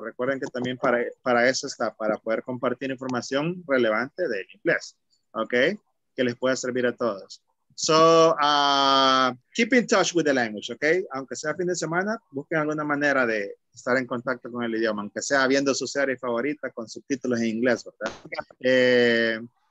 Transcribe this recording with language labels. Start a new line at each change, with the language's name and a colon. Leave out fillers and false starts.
Spanish: Recuerden que también para eso está, para poder compartir información relevante del inglés, okay? Que les pueda servir a todos.
English: So keep in touch with the language, okay?
Spanish: Aunque sea fin de semana, busquen alguna manera de estar en contacto con el idioma, aunque sea viendo su serie favorita con subtítulos en inglés, ¿verdad?